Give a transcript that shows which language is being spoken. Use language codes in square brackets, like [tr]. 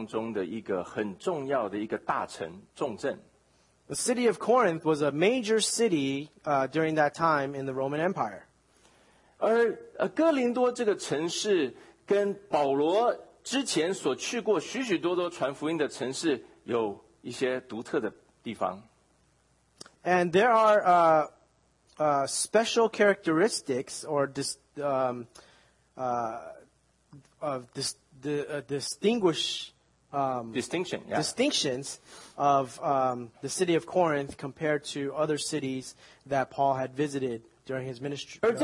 [zh] 哥林多是当时在罗马帝国当中的一个很重要的一个大城重镇。 [en] The city of Corinth was a major city during that time in the Roman Empire. [zh] 而哥林多这个城市跟保罗之前所去过许许多多传福音的城市有一些独特的地方。And [en] there are special characteristics or distinctions of the city of Corinth compared to other cities that Paul had visited during his ministry.